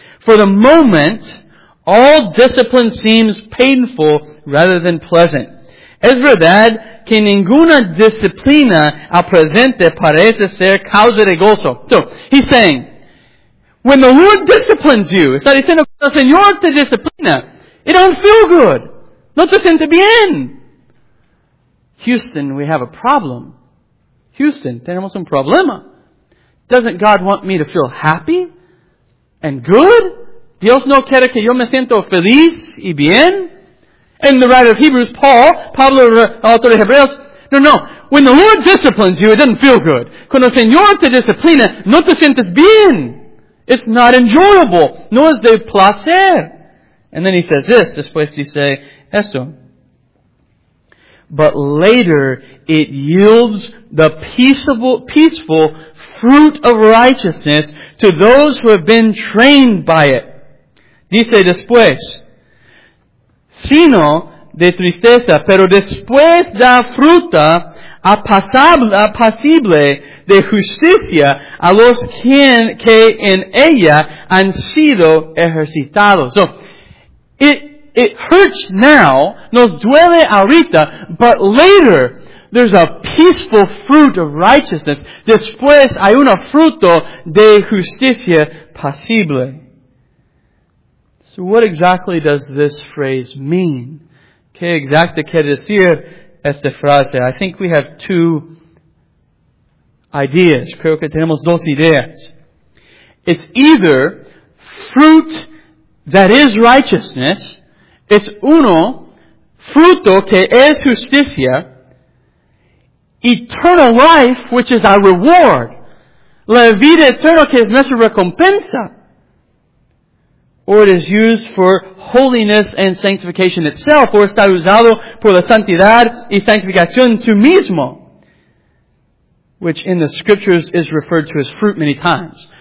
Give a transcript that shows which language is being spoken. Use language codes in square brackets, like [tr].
[en] For the moment, all discipline seems painful rather than pleasant. [es] Es verdad que ninguna disciplina al presente parece ser causa de gozo. [en] So, he's saying, when the Lord disciplines you, [es] está diciendo que el Señor te disciplina, [en] it don't feel good. [es] No te siente bien. [en] Houston, we have a problem. Houston, [es] tenemos un problema. [en] Doesn't God want me to feel happy and good? [es] Dios no quiere que yo me siento feliz y bien? [en] And the writer of Hebrews, Pablo, author of Hebreos, no. When the Lord disciplines you, it doesn't feel good. [es] Cuando el Señor te disciplina, no te sientes bien. [en] It's not enjoyable. [es] No es de placer. [en] And then he says this, [es] después dice esto. [en] But later, it yields the peaceful fruit of righteousness to those who have been trained by it. [es] Dice después, sino de tristeza, pero después da fruta apacible de justicia a los que en ella han sido ejercitados. [en] So, it hurts now, [es] nos duele ahorita, [en] but later there's a peaceful fruit of righteousness. [es] Después hay un fruto de justicia pacible. [en] What exactly does this phrase mean? [es] ¿Qué exacto quiere decir esta frase? [en] I think we have two ideas. [es] Creo que tenemos dos ideas. [en] It's either fruit that is righteousness. [es] It's uno, fruto que es justicia. [en] Eternal life, which is our reward. [es] La vida eterna que es nuestra recompensa. [en] Or it is used for holiness and sanctification itself, or [es] está usado por la santidad y santificación tú mismo, [en] which in the scriptures is referred to as fruit many times.